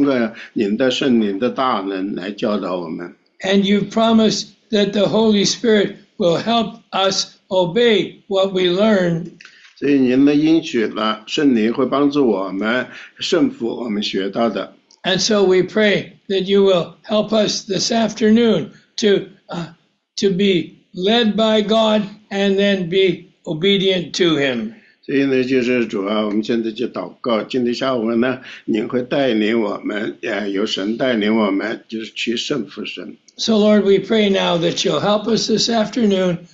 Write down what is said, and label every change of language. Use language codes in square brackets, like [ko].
[zh] 记住啊，您的应许，通过您的圣灵的大能来教导我们。 [en] And you've promised that the Holy Spirit will help us obey what we learn. [zh] 所以您的应许了，圣灵会帮助我们顺服我们学到的。 [en] And so we pray that you will help us this afternoon to be led by God and then be obedient to him. [zh] 所以呢，就是主啊，我们现在就祷告，今天下午呢，您会带领我们，由神带领我们，就是去顺服神。So [en] Lord, we pray now that you'll help us this afternoon.